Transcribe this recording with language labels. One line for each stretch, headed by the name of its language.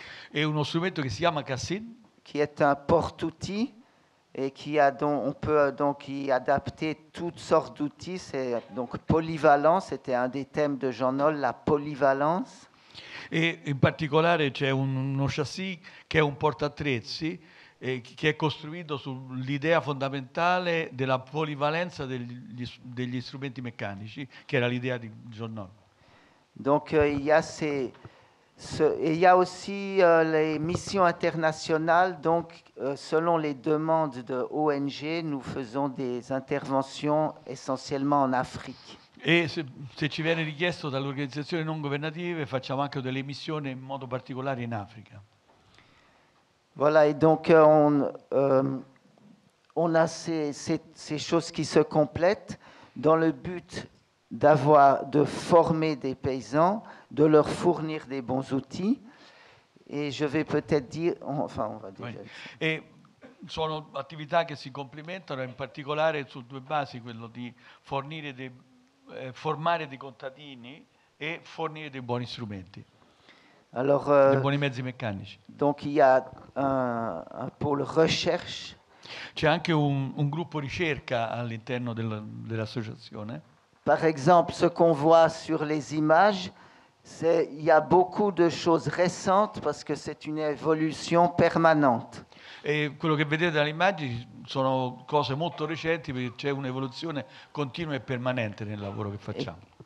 Italian: È uno strumento che si chiama cassine.
French: Qui est un porte-outil et qui a donc on peut donc y adapter toutes sortes d'outils. C'est donc polyvalent. C'était un des thèmes de Jean Nolle, la polyvalence.
Italian: E in particolare c'è uno chassis che è un portaattrezzi che è costruito sull'idea fondamentale della polivalenza degli strumenti meccanici, che era l'idea di Jean Nolle.
French: Donc il y a aussi les missions internationales, donc selon les demandes de ONG, nous faisons des interventions essentiellement en Afrique.
Italian: E se ci viene richiesto dalle organizzazioni non governative, facciamo anche delle missioni in modo particolare in Africa.
French: Voilà, et donc on a ces choses qui se complètent dans le but d'avoir de former des paysans, de leur fournir des bons outils. Et je vais peut-être dire, enfin, on va déjà. Oui.
Italian: E sono attività che si complementano, in particolare su due basi, quello di fornire dei formare dei contadini e fornire dei buoni strumenti.
French: Alors,
Italian: dei buoni mezzi meccanici.
French: Donc il y a un pôle recherche.
Italian: C'è anche un gruppo ricerca all'interno dell'associazione.
French: Par exemple, ce qu'on voit sur les images, c'est il y a beaucoup de choses récentes parce que c'est une évolution permanente.
Italian: E quello che vedete dalle immagini sono cose molto recenti perché c'è un'evoluzione continua e permanente nel lavoro che facciamo.